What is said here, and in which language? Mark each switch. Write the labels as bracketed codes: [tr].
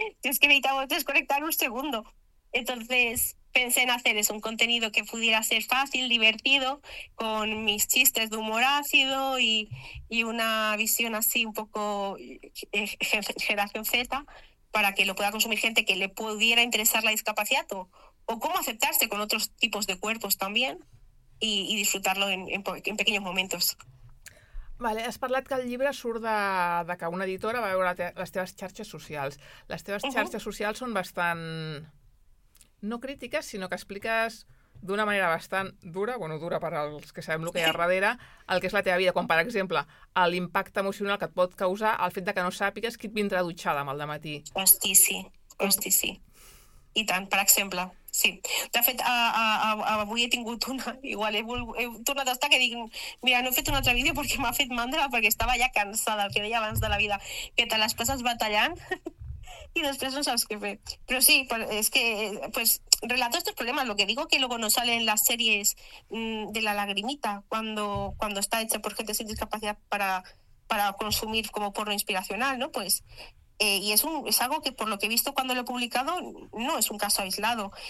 [es] Es que necesitamos desconectar un segundo. Entonces pensé en hacer eso, un contenido que pudiera ser fácil, divertido, con mis chistes de humor ácido y una visión así un poco generación Z, para que lo pueda consumir gente que le pudiera interesar la discapacidad o cómo aceptarse con otros tipos de cuerpos también y disfrutarlo en pequeños momentos. [ca] Vale, has parlat que el llibre surt de que una editora va veure les teves xarxes socials. Les teves xarxes socials són bastant, no crítiques, sinó que expliques d'una manera bastant dura, bueno, dura per als que sabem el que hi ha darrere, el que és la teva vida, com per exemple l'impacte emocional que et pot causar el fet de que no sàpigues qui et vindrà dutxada amb el dematí. Hosti, sí. I tant, per exemple, sí. De fet, avui he tingut una, igual he tornat a estar, que dic, mira, no he fet un altre vídeo perquè m'ha fet mandra, perquè estava ja cansada, el que deia abans de la vida, que te les passes batallant [es] y después no sabes qué fue. Pero sí, es que pues relato estos problemas. Lo que digo que luego no sale en las series de la lagrimita cuando está hecha por gente sin discapacidad para consumir como porno inspiracional, ¿no? Pues y es algo que, por lo que he visto cuando lo he publicado, no es un caso aislado.